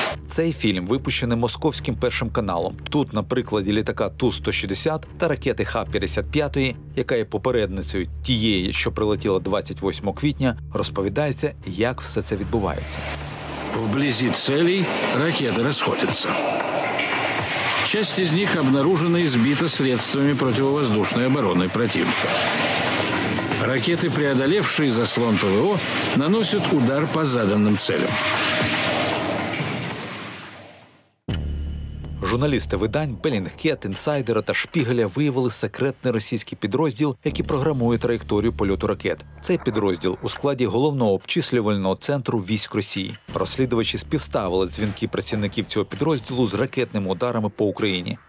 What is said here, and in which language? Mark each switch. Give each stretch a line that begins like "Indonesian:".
Ukrainian: Цей фільм випущений московським першим каналом. Тут на прикладі літака Ту-160 та ракети Х-55, яка є попередницею тієї, що прилетіла 28 квітня, розповідається, як все це відбувається. Вблизі цілі ракети розходяться.
Russian: Часть из них обнаружена и сбита средствами противовоздушной обороны противника. Ракеты, преодолевшие заслон ПВО, наносят удар по заданным целям.
Ukrainian: Журналісти видань «Белінгкет», «Інсайдера» та «Шпігеля» виявили секретний російський підрозділ, який програмує траєкторію польоту ракет. Цей підрозділ у складі головного обчислювального центру військ Росії. Розслідувачі співставили дзвінки працівників цього підрозділу з ракетними ударами по Україні.